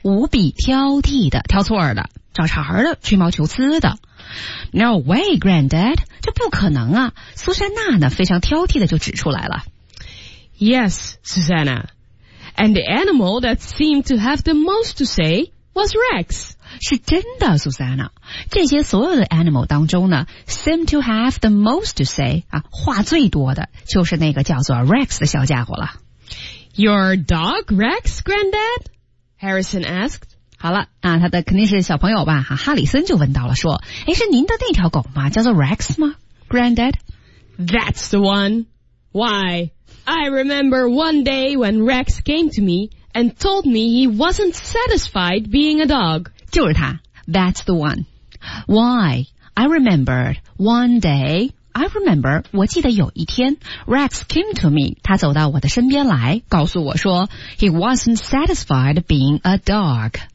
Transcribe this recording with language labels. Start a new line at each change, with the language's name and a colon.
Chinese: 无比挑剔的，挑错的，找茬的，吹毛求疵的。
English: No way, Granddad.
Chinese: 这不可能啊。苏珊娜呢，非常挑剔的就指出来了。
English: Yes, Susanna. And the animal that seemed to have the most to say was Rex.
Chinese: 是真的 Susanna. 这些所有的 animal 当中呢
English: seem to have the most to say,
Chinese: 话最多的就是那个叫做 Rex 的小家伙了。
English: Your dog, Rex, Granddad? Harrison asked.
Chinese: 好了啊，他的肯定是小朋友吧，哈里森就问到了，说诶，是您的那条狗吗？叫做 Rex 吗？Granddad?
English: That's the one. Why? I remember one day when Rex came to me and told me he wasn't satisfied being a dog.
Chinese: 就是他
English: That's the one. Why? I remembered one day. I remember,
Chinese: 我记得有一天
English: Rex came to me,
Chinese: 他走到我的身边来告诉我说
English: He wasn't satisfied being a dog.